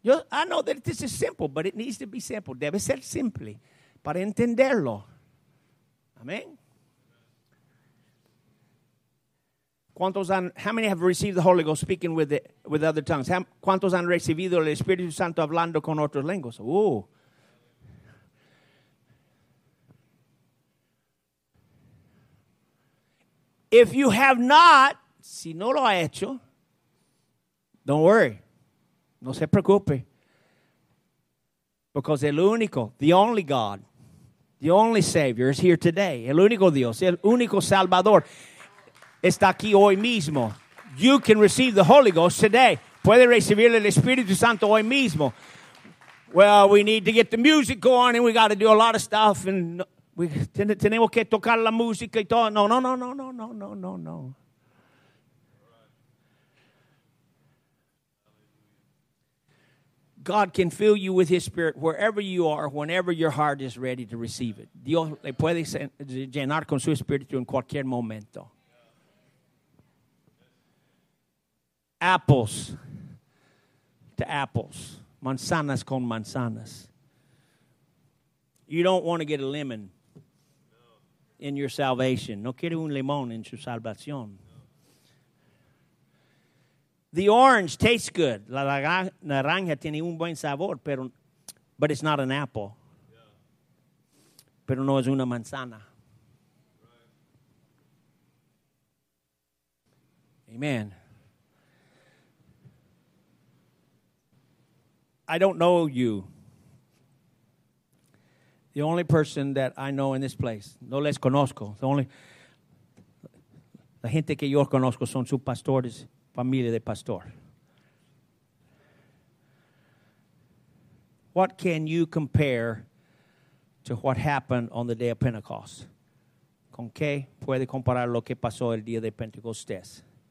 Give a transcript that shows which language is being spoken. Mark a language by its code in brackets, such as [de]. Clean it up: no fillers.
[en] I know that this is simple, but it needs to be simple. [es] Debe ser simple para entenderlo. [en] Amen. How many have received the Holy Ghost speaking with other tongues? [es] ¿Cuántos han recibido el Espíritu Santo hablando con otras lenguas? Oh. [en] If you have not, [es] si no lo ha hecho, [en] don't worry. [es] No se preocupe. [en] Because [es] el único, [en] the only God, the only Savior is here today. [es] El único Dios, el único Salvador está aquí hoy mismo. [en] You can receive the Holy Ghost today. [es] Puede recibir el Espíritu Santo hoy mismo. [en] Well, we need to get the music going and we got to do a lot of stuff. And we [es] tenemos que tocar la música y todo. No. [en] God can fill you with His Spirit wherever you are, whenever your heart is ready to receive it. [es] Dios le puede llenar con su Espíritu en cualquier momento. [en] Apples to apples. [es] Manzanas con manzanas. [en] You don't want to get a lemon in your salvation. [es] No quiere un limón en su salvación. [en] The orange tastes good. [es] La naranja tiene un buen sabor, [en] but it's not an apple. Yeah. [es] Pero no es una manzana. [en] Right. Amen. I don't know you. The only person that I know in this place, [es] no les conozco. La gente que yo conozco son sus pastores. Familia de pastor. [en] What can you compare to what happened on the day of Pentecost? [es] ¿Con qué puede comparar lo que pasó el día de Pentecostés?